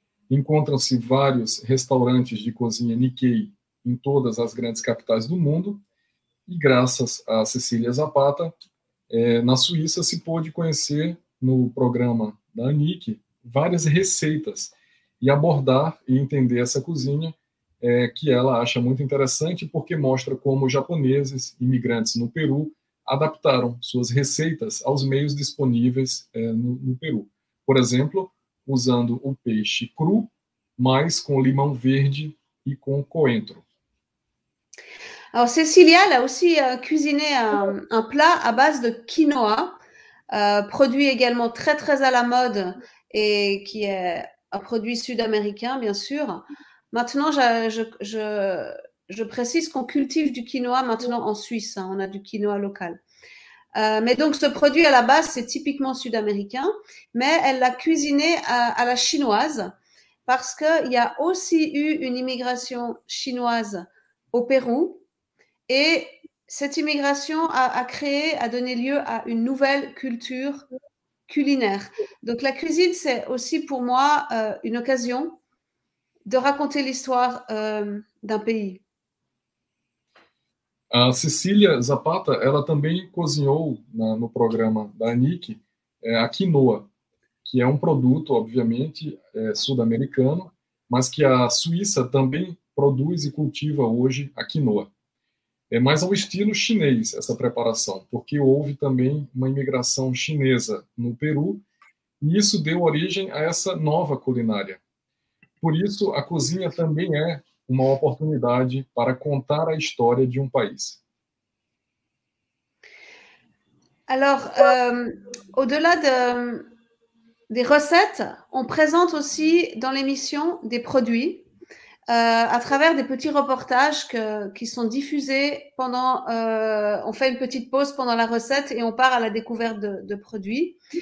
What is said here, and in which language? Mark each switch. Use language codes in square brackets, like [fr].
[pt] Encontram-se vários restaurantes de cozinha Nikkei em todas as grandes capitais do mundo, e graças a Cecília Zapata, na Suíça se pôde conhecer no programa da Anique várias receitas e abordar e entender essa cozinha, que ela acha muito interessante, porque mostra como japoneses imigrantes no Peru adaptaram suas receitas aos meios disponíveis no Peru. Por exemplo, usando o peixe cru, mas com limão verde e com coentro. [fr] Alors, Cecilia, elle a aussi cuisiné un plat à base de quinoa, produit également très, très à la mode et qui est un produit sud-américain, bien sûr. Maintenant, je précise qu'on cultive du quinoa maintenant en Suisse. Hein, on a du quinoa local. Mais donc, ce produit à la base, c'est typiquement sud-américain. Mais elle l'a cuisiné à la chinoise parce qu'il y a aussi eu une immigration chinoise au Pérou. Et cette immigration a donné lieu à une nouvelle culture culinaire. Donc la cuisine, c'est aussi pour moi une occasion de raconter l'histoire d'un pays. [pt] A Cecília Zapata, ela também cozinhou no programa da Anique a quinoa, que é um produto, obviamente, sul-americano, mas que a Suíça também produz e cultiva hoje a quinoa. É mais ao estilo chinês essa preparação, porque houve também uma imigração chinesa no Peru e isso deu origem a essa nova culinária. Por isso, a cozinha também é uma oportunidade para contar a história de um país. [fr] Alors, au-delà des recettes, on présente aussi dans l'émission des produits. À travers des petits reportages qui sont diffusés pendant, on fait une petite pause pendant la recette et on part à la découverte de produits.